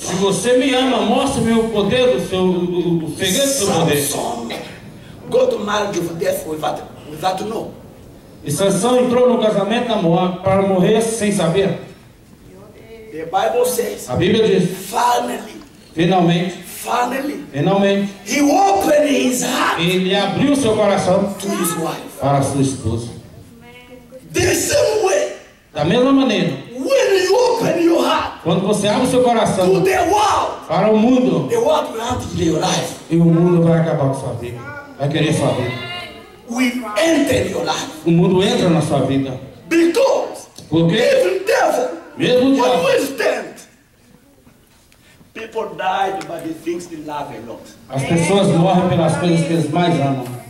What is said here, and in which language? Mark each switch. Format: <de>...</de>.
<pt>Se você me ama, mostre-me o poder do seu o segredo do seu poder.</pt> <en>Samson, go to marriage with death without to know.</en> <pt>E Sansão entrou no casamento para morrer sem saber.</pt> <en>The Bible says.</en> <pt>A Bíblia diz.</pt> <en>Finally.</en> <pt>Finalmente.</pt> <en>Finally.</en> <pt>Finalmente.</pt> <en>He opened his heart.</en> <pt>Ele abriu seu coração</pt> <en>to his wife.</en> <pt>Para sua esposa.</pt> <en>The same way.</en> <pt>Da mesma maneira.</pt> <en>When you open your heart,</en> <pt>quando você abre o seu coração</pt> <en>to the world,</en> <pt>para o mundo,</pt> <en>the world will have to your life.</en> <pt>E o mundo vai acabar com sua vida. Vai querer sua vida.</pt> <en>We enter your life.</en> <pt>O mundo entra na sua vida.</pt> <en>Because</en> <pt>porque</pt> <en>even devil,</en> <pt>mesmo o diabo,</pt> <en>when we stand, people died by the things they love a lot.</en> <pt>As pessoas morrem pelas coisas que eles mais amam.</pt>